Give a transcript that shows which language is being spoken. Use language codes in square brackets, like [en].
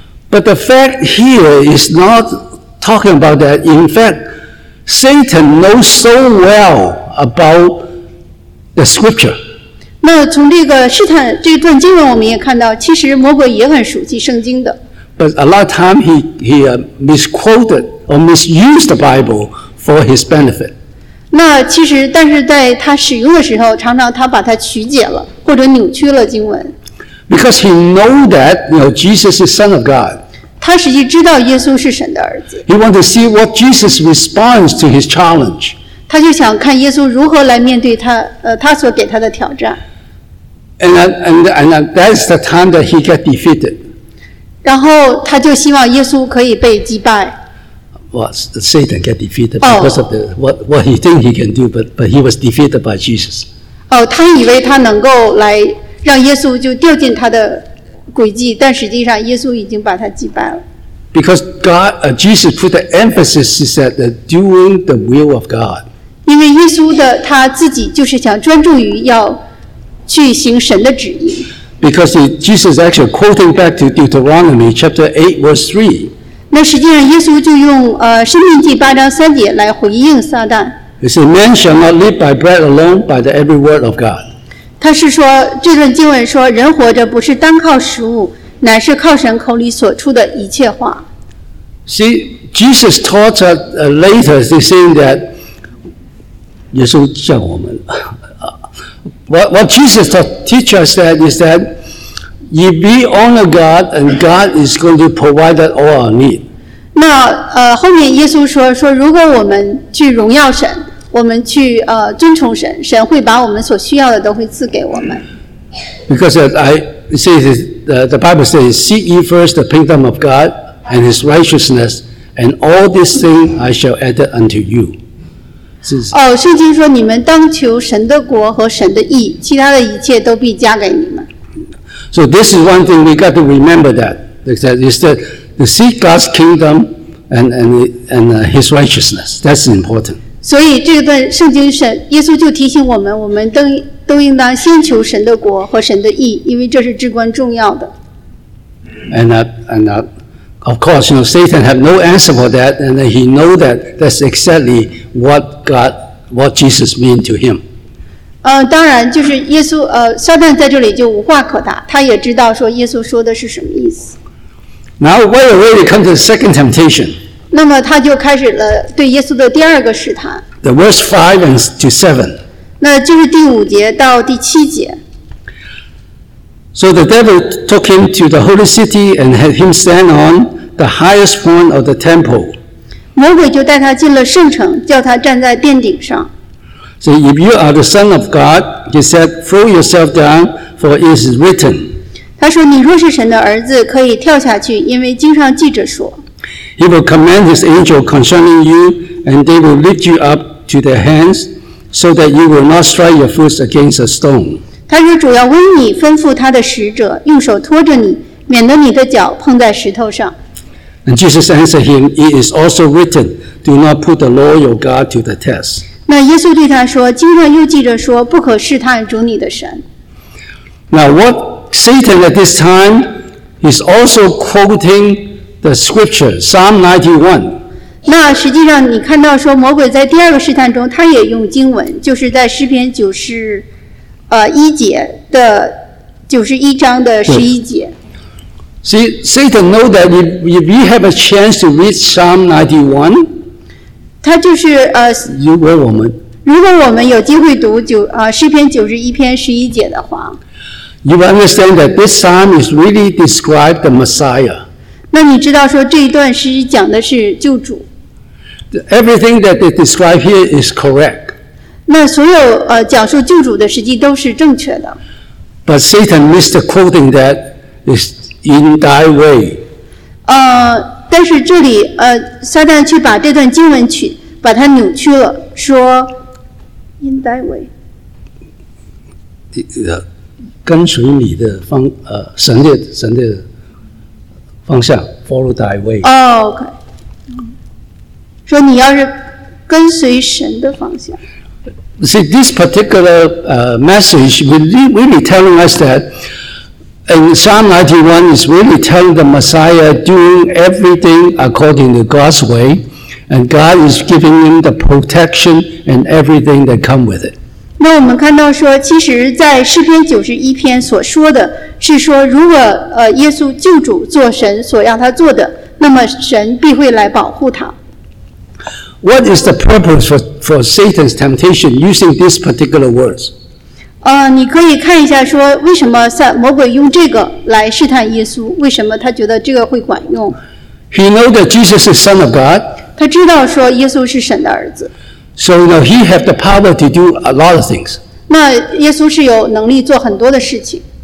[en] But the fact here is not talking about that. In fact, Satan knows so well about the scripture. [zh] 那从这个试探这段经文我们也看到其实魔鬼也很熟悉圣经的。 [en] But a lot of time he misquoted or misused the Bible for his benefit. [zh] 那其实，但是在他使用的时候，常常他把它曲解了或者扭曲了经文。 [en] Because he know that Jesus is Son of God. [zh] 他实际知道耶稣是神的儿子。 [en] He want to see what Jesus responds to his challenge. [zh] 他就想看耶稣如何来面对他他所给他的挑战。 [en] And that's the time that he get defeated. [zh] 然后他就希望耶稣可以被击败。 [en] Well, Satan got defeated because of what he think he can do, but he was defeated by Jesus. [zh] 哦，他以为他能够来让耶稣就掉进他的诡计，但实际上耶稣已经把他击败了。 [en] Because Jesus put the emphasis is that doing the will of God. [zh] 因为耶稣的他自己就是想专注于要去行神的旨意。 [en] Because Jesus actually quoting back to Deuteronomy chapter 8 verse 3. [zh] 那实际上耶稣就用申命记八章三节来回应撒旦。 [en] He said, "Man shall not live by bread alone, but by every word of God." [zh] 他是说这段经文说人活着不是单靠食物，乃是靠神口里所出的一切话。 [en] See, Jesus taught us later, saying that [zh] 耶稣教我们。 [en] What Jesus teach us that is that if we honor God and God is going to provide all our need. [zh] 那后面耶稣说如果我们去荣耀神，我们去尊崇神，神会把我们所需要的都会赐给我们。 [en] Because the Bible says, "Seek ye first the kingdom of God and His righteousness, and all these things I shall add unto you." [zh] 圣经说你们当求神的国和神的义，其他的一切都必加给你们。 [en] So this is one thing we got to remember that is that to seek God's kingdom and His righteousness. That's important. [zh] 所以这段圣经神耶稣就提醒我们，我们都应当先求神的国和神的义，因为这是至关重要的。 [en] And of course, you know, Satan have no answer for that, and he know that that's exactly what Jesus mean to him. [zh] 当然就是耶稣撒旦在这里就无话可答，他也知道说耶稣说的是什么意思。 [en] Now, why are we come to the second temptation? [zh] 那么他就开始了对耶稣的第二个试探。 [en] The verse 5-7. [zh] 那就是第五节到第七节。 [en] So the devil took him to the holy city and had him stand on the highest point of the temple. [zh] 魔鬼就带他进了圣城，叫他站在殿顶上。 [en] So if you are the son of God, he said, throw yourself down, for it is written. [zh] 他说你若是神的儿子，可以跳下去，因为经上记着说。 [en] He will command his angel concerning you, and they will lift you up to their hands, so that you will not strike your foot against a stone. [zh] 他说主要为你吩咐他的使者用手托着你，免得你的脚碰在石头上。 [en] And Jesus answered him, "It is also written, do not put the Lord your God to the test." [zh] 那耶稣对他说，经上又记着说，不可试探主你的神。 [en] Now what Satan at this time is also quoting the scripture, Psalm 91. [zh] 那实际上你看到说魔鬼在第二个试探中他也用经文，就是在诗篇九十一节的九十一章的十一节。 [en] See, Satan know that if we have a chance to read Psalm 91, [zh] 他就是如果我们有机会读诗篇九十一篇十一节的话 [en] ，you will understand that this psalm is really describe the Messiah. [zh] 那你知道说这一段诗讲的是救主。 [en] Everything that they describe here is correct. [zh] 那所有讲述救主的实际都是正确的。 [en] But Satan missed the quoting that is in thy way. [zh] 但是这里撒旦却把这段经文把它扭曲了，说 [en] in thy way. [zh] 跟随你的神的方向 ， [en] follow thy way. [zh] 说你要是跟随神的方向。 [en] See, this particular message really telling us that in Psalm 91 is really telling the Messiah doing everything according to God's way, and God is giving him the protection and everything that come with it. [zh] 那我们看到说，其实在诗篇九十一篇所说的是说，如果耶稣救主做神所要他做的，那么神必会来保护他。 [en] What is the purpose for Satan's temptation using these particular words? [zh] 你可以看一下说为什么魔鬼用这个来试探耶稣，为什么他觉得这个会管用。 [en] He know that Jesus is son of God. [zh] 他知道说耶稣是神的儿子。 [en] So you know, he have the power to do a lot of things. [zh] 那耶稣是有能力做很多的事情。